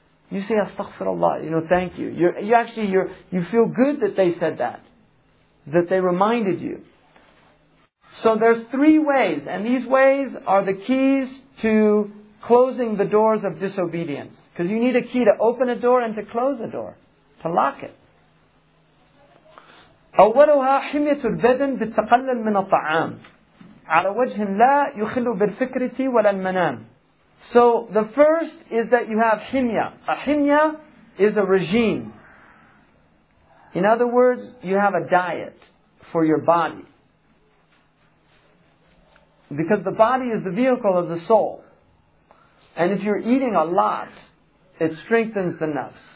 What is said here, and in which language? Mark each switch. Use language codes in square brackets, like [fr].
[en] You say, astaghfirullah. You know, thank you. You feel good that they said that. That they reminded you. So there's three ways. And these ways are the keys to closing the doors of disobedience. Because you need a key to open a door and to close a door. To lock it. [ar] أولها حمية البدن بالتقلل من الطعام على وجه لا يخل بالفكرة ولا المنام. [en] So the first is that you have حمية. A حمية is a regime. In other words, you have a diet for your body. Because the body is the vehicle of the soul. And if you're eating a lot, it strengthens the nafs.